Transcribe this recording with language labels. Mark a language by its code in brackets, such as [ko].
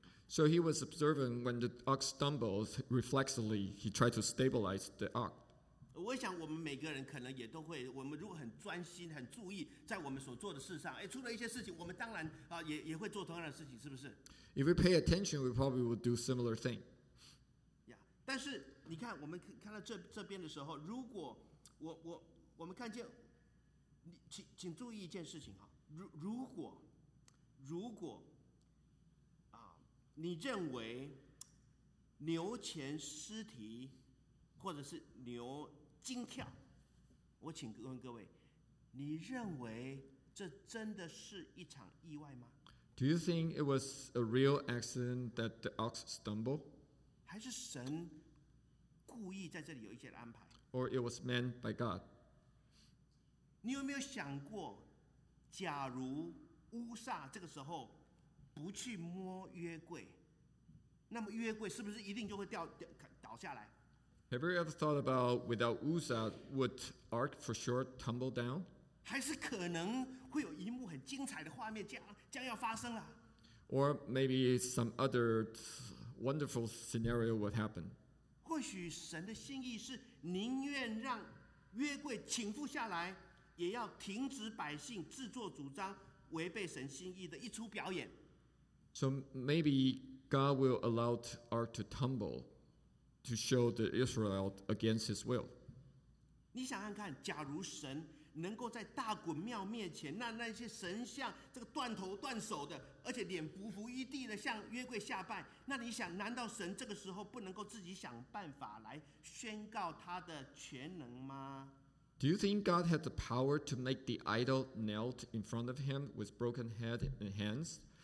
[en] So he was observing when the ox stumbles, reflexively he tried to stabilize the ox. [zh] 我想我们每个人可能也都会，我们如果很专心很注意在我们所做的事上，出了一些事情，我们当然也会做同样的事情，是不是？ [en] If we pay attention, we probably would do similar thing. [zh] Yeah, 但是你看我们看到 这边的时候，如果 我们看见你 请注意一件事情，如果你认为牛前失蹄或者是牛惊跳，我请问各位，你认为这真的是一场意外吗？ [en] Do you think it was a real accident that the ox stumbled? [zh] 还是神故意在这里有一些安排？ [en] Or it was meant by God? [zh] 你有没有想过，假如乌撒这个时候不去摸约柜，那么约柜是不是一定就会倒下来？ [en] Have you ever thought about without Uzzah, would Ark for sure tumble down? [zh] 还是可能会有一幕很精彩的画面将要发生了。 [en] Or maybe some other wonderful scenario would happen. [zh] 或许神的心意是宁愿让约柜倾覆下来，也要停止百姓自作主张违背神心意的一出表演。 [en] So maybe God will allow Ark to tumble. To show the Israel against his will. [zh] 你想想看，假如神能够在大衮庙面前，那些神像这个断头断手的，而且脸匍匐一地的向约柜下拜，那你想，难道神这个时候不能够自己想办法来宣告他的全能吗？ [en] Do you think God had the power to make the idol knelt in front of him with broken head and hands?